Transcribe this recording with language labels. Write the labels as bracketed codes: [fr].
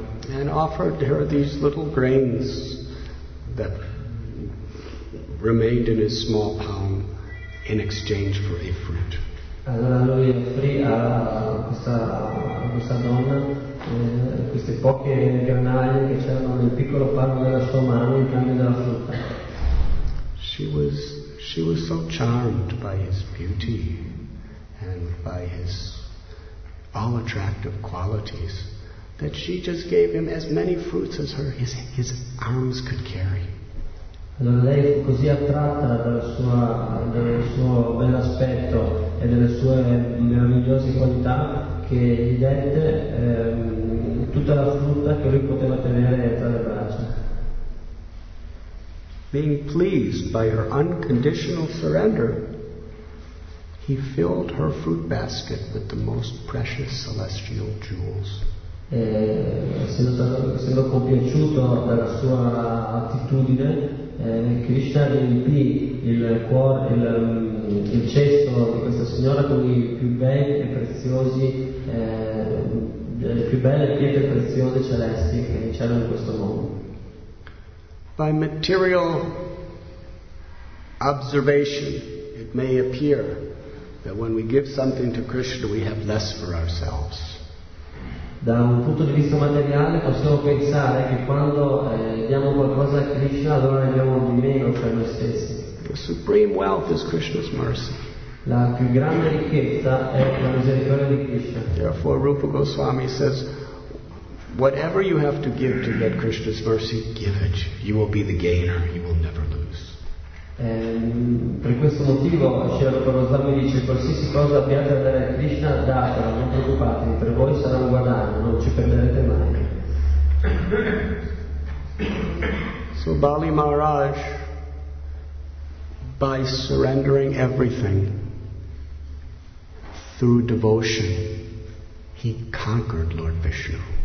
[en] And offered her these little grains that remained in his small palm in exchange for a fruit. [it] Allora lui offrì a questa donna queste poche granaglie che c'erano nel piccolo palmo della sua mano in cambio della frutta. [en] She was so charmed by his beauty and by his all attractive qualities that she just gave him as many fruits as his arms could carry. [it] Allora lei fu così attratta dal suo bel aspetto e delle sue meravigliose qualità che gli dette tutta la frutta che lui poteva tenere tra le braccia. [en] Being pleased by her unconditional surrender, he filled her fruit basket with the most precious celestial jewels. [it] Essendo compiaciuto dalla sua attitudine, Krishna riempì il cuore, il cesto di questa signora con i più belli e preziosi, le più belle pietre preziose celesti che c'erano in questo mondo. [en] By material observation, it may appear that when we give something to Krishna, we have less for ourselves. [it] Da un punto di vista materiale possiamo pensare che quando diamo qualcosa a Krishna allora abbiamo di meno per noi stessi. [en] The supreme wealth is Krishna's mercy. [it] La più grande ricchezza è la misericordia di Krishna. [en] Therefore Rupa Goswami says, whatever you have to give to get Krishna's mercy, give it. You will be the gainer, you will never lose. [it] Per questo motivo Sri Rupa Goswami dice, qualsiasi cosa abbiate a dare a Krishna, datela, non preoccupatevi, per voi sarà un guadagno, non ci perderete mai. [en] So Bali Maharaj, by surrendering everything through devotion, he conquered Lord Vishnu.